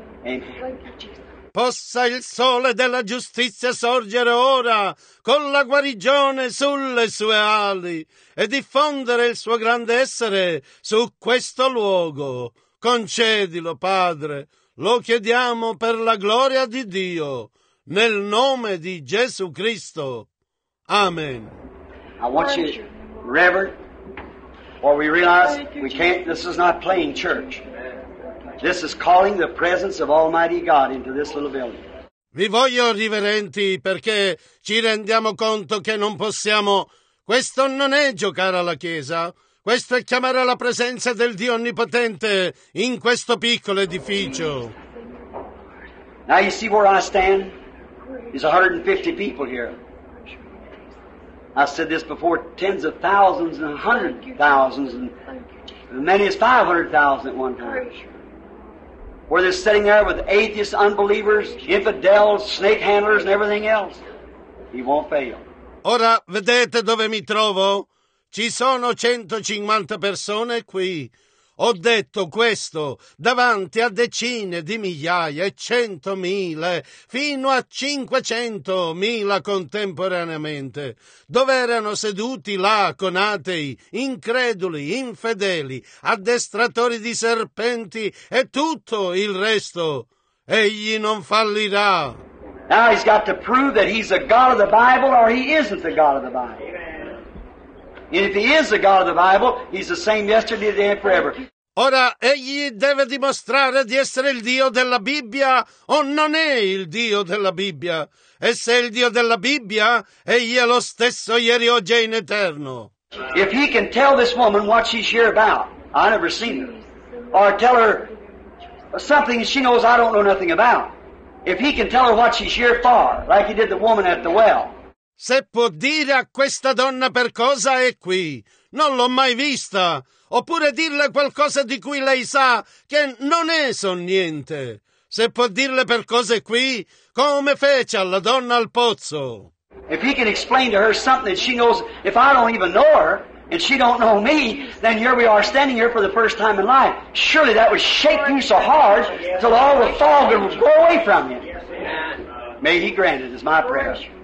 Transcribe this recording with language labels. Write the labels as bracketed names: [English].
[Italian] Amen. Possa il sole della giustizia sorgere ora con la guarigione sulle sue ali e diffondere il suo grande essere su questo luogo. Concedilo, Padre. Lo chiediamo per la gloria di Dio, nel nome di Gesù Cristo. Amen. [English] I want you, Reverend, for we realize we can't, this is not playing church. This is calling the presence of Almighty God into this little building. [Italian] Vi voglio riverenti perché ci rendiamo conto che non possiamo. Questo non è giocare alla Chiesa. Questo è chiamare la presenza del Dio Onnipotente in questo piccolo edificio. [English] Now you see where I stand? There's 150 people here. I said this before, tens of thousands and hundred thousands and as many as 500,000 at one time. Where they're sitting there with atheists, unbelievers, infidels, snake handlers and everything else. He won't fail. [Italian] Ora vedete dove mi trovo? Ci sono 150 persone qui. Ho detto questo davanti a decine di migliaia e 100.000 fino a 500.000 contemporaneamente, dove erano seduti là con atei, increduli, infedeli, addestratori di serpenti e tutto il resto. Egli non fallirà. [English] Now he's got to prove that he's the God of the Bible or he isn't the God of the Bible. And if he is the God of the Bible, he's the same yesterday, today, and forever. [Italian] Ora, egli deve dimostrare di essere il Dio della Bibbia o non è il Dio della Bibbia. E se è il Dio della Bibbia, egli è lo stesso ieri, oggi e in eterno. [English] If he can tell this woman what she's here about, I never seen her, or tell her something she knows I don't know nothing about. If he can tell her what she's here for, like he did the woman at the well. [Italian] Se può dire a questa donna per cosa è qui, non l'ho mai vista, oppure dirle qualcosa di cui lei sa che non è son niente. Se può dirle per cosa è qui, come fece alla donna al pozzo? [English] If he can explain to her something that she knows, if I don't even know her and she don't know me, then here we are standing here for the first time in life. Surely that would shake you so hard till all the fog would go away from you. May he grant it, is my prayer.